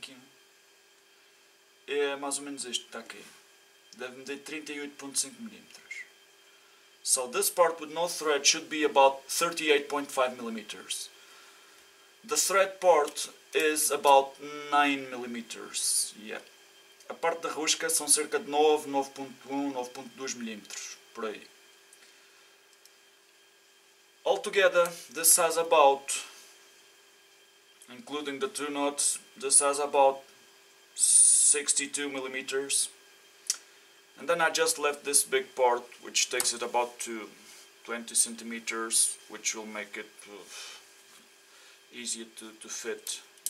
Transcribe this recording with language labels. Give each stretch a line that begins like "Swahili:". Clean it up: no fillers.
Portuguese: 38.5. É mais ou menos isto que está aqui. Deve medir 38.5 mm.
English: So this part with no thread should be about 38.5 mm. The thread part is about 9 mm. Yeah.
Portuguese: A parte da rosca são cerca de 9.1, 9.2 mm, por aí.
English: Altogether, this has about, including the two nuts, this has about 62 mm. And then I just left this big part, which takes it about to 20 cm, which will make it easier to fit.